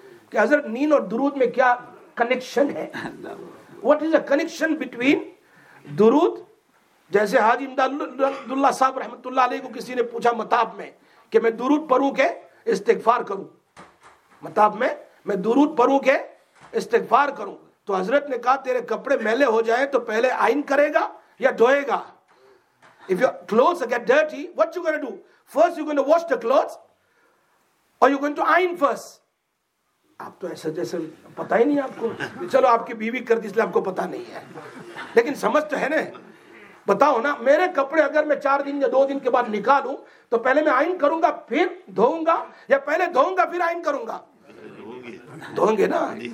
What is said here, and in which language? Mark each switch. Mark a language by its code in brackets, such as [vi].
[ur] کہ حضرت نیند اور درود میں کیا کنیکشن ہے؟ [en] What is a connection between درود؟ [ur] جیسے حاجی امداد اللہ صاحب رحمۃ اللہ علیہ کو کسی نے پوچھا مطاب میں کہ میں درود پڑھوں کہ استغفار کروں, مطاب میں میں درود پڑھوں کہ استغفار کروں, تو حضرت نے کہا تیرے کپڑے میلے ہو جائیں تو پہلے آئن کرے گا یا دھوئے گا؟ [en] If your clothes get dirty, what you gonna do? First you gonna wash the clothes or you going to iron first? [ur] آپ تو ایسا جیسے پتا ہی نہیں آپ کو. چلو آپ کی بیوی کرتی اس لیے آپ کو پتا نہیں ہے, لیکن سمجھ تو ہے نا. بتاؤ نا, میرے کپڑے اگر میں چار دن یا دو دن کے بعد نکالوں تو پہلے میں آئن کروں گا پھر دھوؤں گا, یا پہلے دھوؤں گا پھر آئن کروں گا؟ دھوؤں گے نا.